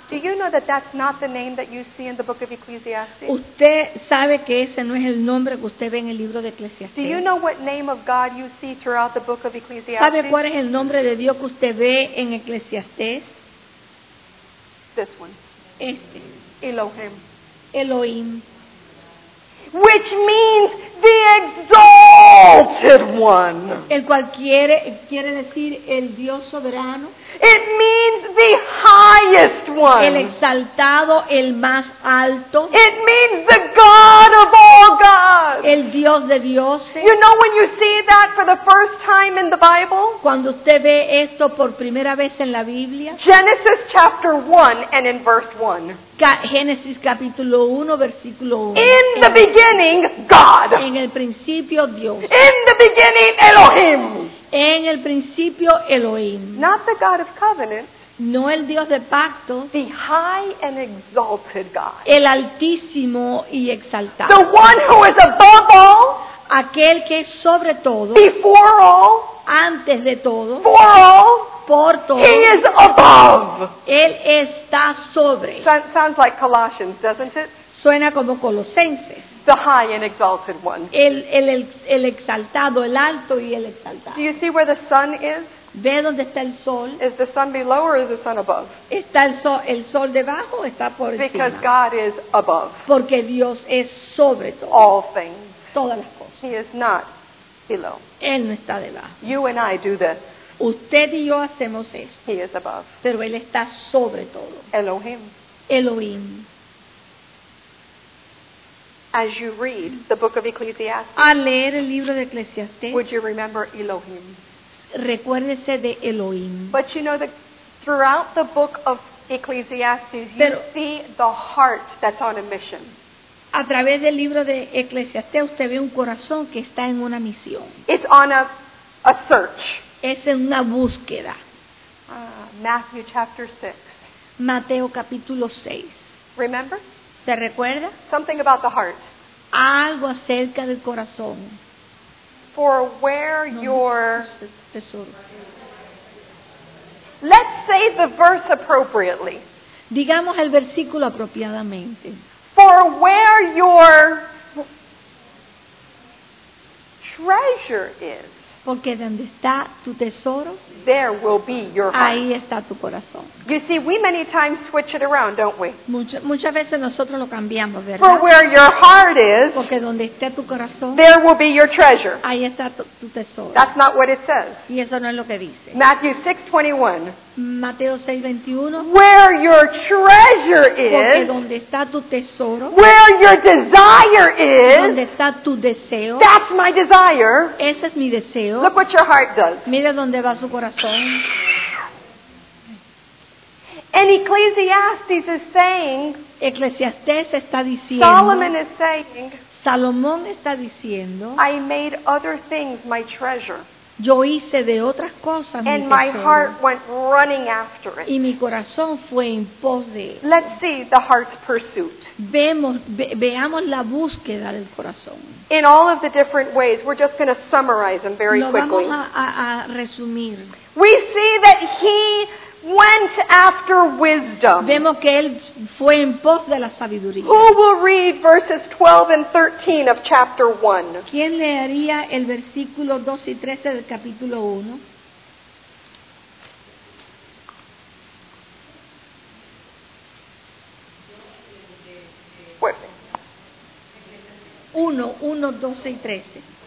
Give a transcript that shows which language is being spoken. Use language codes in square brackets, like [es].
[en] Do you know that that's not the name that you see in the book of Ecclesiastes? [es] ¿Usted sabe que ese no es el nombre que usted ve en el libro de Eclesiastés? [en] Do you know what name of God you see throughout the book of Ecclesiastes? [es] ¿Sabe cuál es el nombre de Dios que usted ve en Eclesiastés? [en] This one. [es] Este. [en] Elohim. [es] Elohim. [en] Which means the exalted one. [es] El cual quiere decir el Dios soberano. [en] It means the highest one. [es] El exaltado, el más alto. [en] It means the God of all gods. [es] El Dios de dioses. [en] You know when you see that for the first time in the Bible? [es] Cuando usted ve esto por primera vez en la Biblia. [en] Genesis chapter 1 and in verse 1. [es] Génesis capítulo 1, versículo 1. [en] In the beginning, God. [es] En el principio, Dios. [en] In the beginning, Elohim. [es] En el principio, Elohim. [en] Not the God of covenant. [es] No el Dios de pacto. [en] The high and exalted God. [es] El altísimo y exaltado. [en] The one who is above all. [es] Aquel que es sobre todo. [en] Before all. [es] Antes de todo. [en] For all. [es] Por todo. [en] He is above. [es] Él está sobre. [en] Sounds like Colossians, doesn't it? [es] Suena como Colosenses. [en] The high and exalted one. [es] El exaltado, el alto y el exaltado. [en] Do you see where the sun is? [es] ¿Ve dónde está el sol? [en] Is the sun below or is the sun above? [es] ¿Está el sol debajo o está por encima? [en] Because God is above. [es] Porque Dios es sobre todo. [en] All things. [es] Todas las cosas. [en] He is not below. [es] Él no está debajo. [en] You and I do this. [es] Usted y yo hacemos esto. [en] He is above. [es] Pero Él está sobre todo. [en] Elohim. [es] Elohim. [en] As you read the book of Ecclesiastes, [es] al leer el libro de Eclesiastés, [en] would you remember Elohim? [es] Recuérdese de Elohim. [en] But you know that throughout the book of Ecclesiastes, you see the heart that's on a mission. [es] A través del libro de Eclesiastés, usted ve un corazón que está en una misión. [en] It's on a search. [es] Es en una búsqueda. [en] Matthew chapter 6. [es] Mateo capítulo 6. [en] Remember? [es] ¿Se recuerda? [en] Something about the heart. [es] Algo acerca del corazón. [en] For where [es] no, [en] your... [es] Tesoro. [en] Let's say the verse appropriately. [es] Digamos el versículo apropiadamente. [en] For where your treasure is. [es] Porque donde está tu tesoro, [en] there will be your heart. [es] Ahí está tu corazón. [en] You see, we many times switch it around, don't we? [es] Muchas veces nosotros lo cambiamos, ¿verdad? [en] For where your heart is, [es] porque donde esté tu corazón, [en] there will be your treasure. [es] Ahí está tu tesoro. [en] That's not what it says. [es] Y eso no es lo que dice. [en] Matthew 6:21. [es] Mateo 6:21. [en] Where your treasure is, [es] porque donde está tu tesoro, [en] where your desire is, [es] donde está tu deseo, [en] that's my desire. [es] Ese es mi deseo. [en] Look what your heart does. [es] Mira dónde va su corazón. [en] And Ecclesiastes is saying. [es] Eclesiastés está diciendo. [en] Solomon is saying. [es] Salomón está diciendo. [en] I made other things my treasure. [es] Yo hice de otras cosas mi tesoro. [en] And my heart went running after it. [es] Y mi corazón fue en pos de él. [en] Let's see the heart's pursuit. [es] Veamos la búsqueda del corazón. [en] In all of the different ways, we're just going to summarize them very quickly. [es] Lo vamos a resumir. [en] We see that he went after wisdom. [es] Vemos que él fue en pos de la sabiduría. [en] Who will read verses 12 and 13 of chapter 1? [es] ¿Quién leería el versículo 12 y 13 del capítulo 1? Fuerte. 1, 12 y 13.